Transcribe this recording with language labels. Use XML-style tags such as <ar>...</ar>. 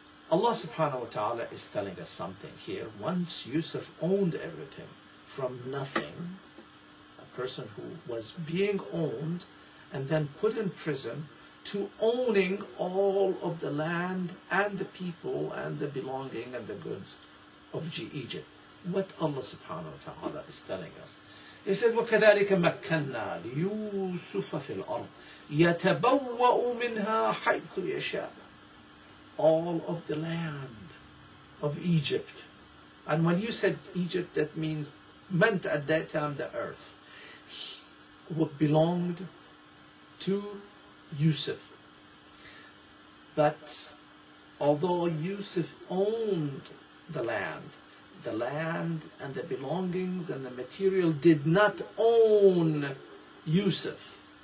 <en>Allah subhanahu wa ta'ala is telling us something here. Once Yusuf owned everything from nothing, a person who was being owned and then put in prison, to owning all of the land and the people and the belonging and the goods of Egypt. What Allah subhanahu wa ta'ala is telling us. He said,</en> <ar>وَكَذَلِكَ مَكَّنَّا لِيُوسُفَ فِي الْأَرْضِ يَتَبَوَّأُ مِنْهَا حَيْثُ يَشَاءُ.</ar> <en>All of the land of Egypt. And when you said Egypt, that meant at that time the earth. What belonged to Yusuf. But although Yusuf owned the land and the belongings and the material did not own Yusuf.</en>